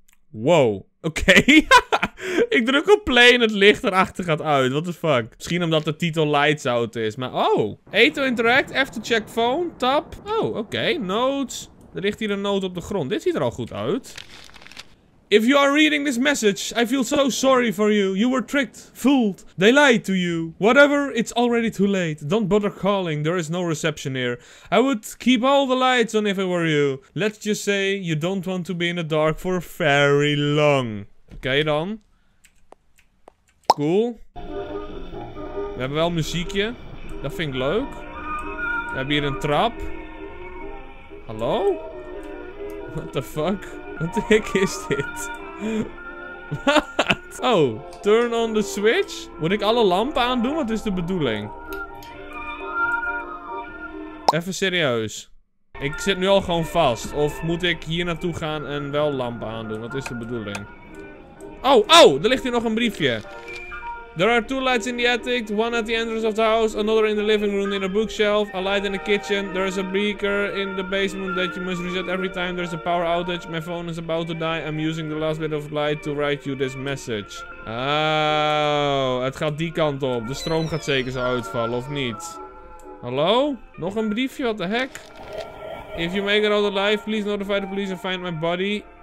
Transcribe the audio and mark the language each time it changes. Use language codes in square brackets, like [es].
[nl] Wow, oké. Ik druk op play en het licht erachter gaat uit. [en] What the fuck? [nl] Misschien omdat de titel Lights Out is, maar oh. [en] Eto Interact, after check phone, tap. Oh, oké, okay. Notes. [nl] Er ligt hier een noot op de grond. Dit ziet er al goed uit. [en] If you are reading this message, I feel so sorry for you. You were tricked, fooled. They lied to you. Whatever, it's already too late. Don't bother calling, there is no reception here. I would keep all the lights on if I were you. Let's just say you don't want to be in the dark for very long. [nl] Oké dan. Cool. We hebben wel muziekje. Dat vind ik leuk. We hebben hier een trap. Hallo? [en] What the fuck? [nl] Wat de heck is dit? Wat? [en] Oh, turn on the switch? [nl] Moet ik alle lampen aandoen? Wat is de bedoeling? Even serieus. Ik zit nu al gewoon vast. Of moet ik hier naartoe gaan en wel lampen aandoen? Wat is de bedoeling? Oh, oh! Er ligt hier nog een briefje. [en] There are two lights in the attic, one at the entrance of the house, another in the living room in a bookshelf, a light in the kitchen, there is a beaker in the basement that you must reset every time, there is a power outage, my phone is about to die, I'm using the last bit of light to write you this message. [nl] Oh, het gaat die kant op, de stroom gaat zeker zo uitvallen, of niet? Hallo? Nog een briefje, [en] what the heck? If you make it out alive, please notify the police and find my body.